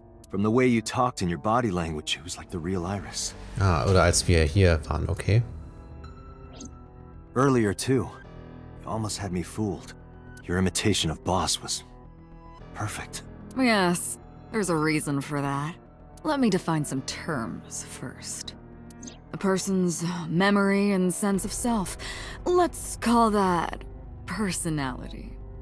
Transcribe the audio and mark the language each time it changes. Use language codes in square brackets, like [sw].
[en] From the way you talked in your body language, it was like the real Iris. [de] Ah, oder als wir hier waren, okay. [en] Earlier too. You almost had me fooled. Your imitation of Boss was perfect. Yes, there's a reason for that. Let me define some terms first. A person's memory and sense of self. Let's call that personality.